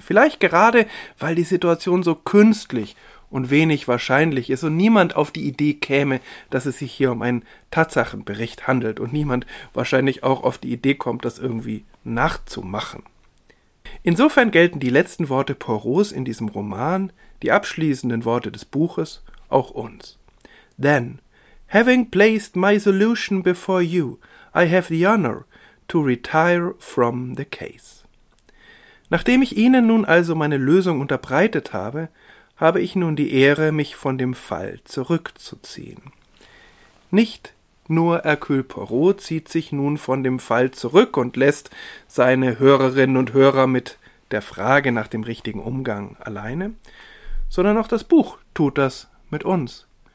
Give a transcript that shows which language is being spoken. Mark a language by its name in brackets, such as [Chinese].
[German] Vielleicht gerade, weil die Situation so künstlich und wenig wahrscheinlich ist und niemand auf die Idee käme, dass es sich hier um einen Tatsachenbericht handelt und niemand wahrscheinlich auch auf die Idee kommt, das irgendwie nachzumachen. Insofern gelten die letzten Worte Poirots in diesem Roman, die abschließenden Worte des Buches, auch uns. [English] Then, having placed my solution before you, I have the honor to retire from the case. [German] Nachdem ich Ihnen nun also meine Lösung unterbreitet habe, habe ich nun die Ehre, mich von dem Fall zurückzuziehen. Nicht nur Hercule Poirot zieht sich nun von dem Fall zurück und lässt seine Hörerinnen und Hörer mit der Frage nach dem richtigen Umgang alleine, sondern auch das Buch tut das mit uns.